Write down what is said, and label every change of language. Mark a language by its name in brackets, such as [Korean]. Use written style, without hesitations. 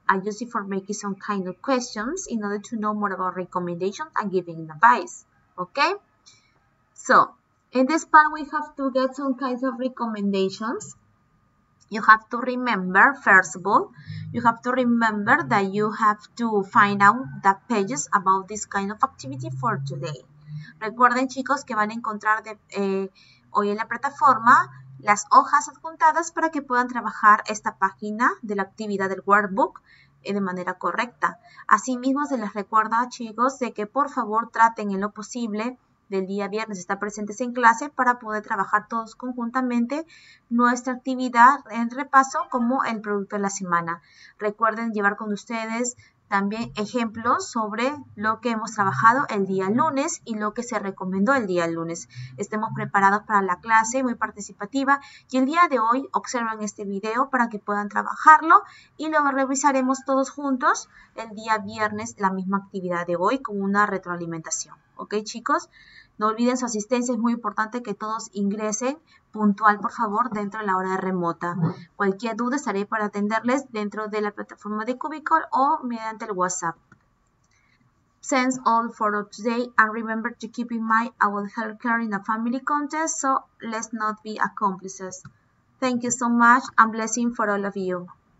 [English] I use it for making some kind of questions in order to know more about recommendations and giving advice. Okay? So, in this part, we have to get some kinds of recommendations. You have to remember, first of all, you have to remember that you have to find out the pages about this kind of activity for today. [Spanish] Recuerden, chicos, que van a encontrar hoy en la plataforma las hojas adjuntadas para que puedan trabajar esta página de la actividad del workbook de manera correcta. Asimismo, se les recuerda, chicos, de que por favor traten en lo posible del día viernes estar presentes en clase para poder trabajar todos conjuntamente nuestra actividad en repaso como el producto de la semana. Recuerden llevar con ustedes también ejemplos sobre lo que hemos trabajado el día lunes y lo que se recomendó el día lunes. Estemos preparados para la clase, muy participativa, y el día de hoy observen este video para que puedan trabajarlo y lo revisaremos todos juntos el día viernes, la misma actividad de hoy, con una retroalimentación. ¿Ok, chicos? No olviden su asistencia, es muy importante que todos ingresen puntual, por favor, dentro de la hora remota. Cualquier duda estaré para atenderles dentro de la plataforma de Cubicle o mediante el WhatsApp. [English] Thanks all for today and remember to keep in mind our healthcare in a family context, so let's not be accomplices. Thank you so much and blessing for all of you.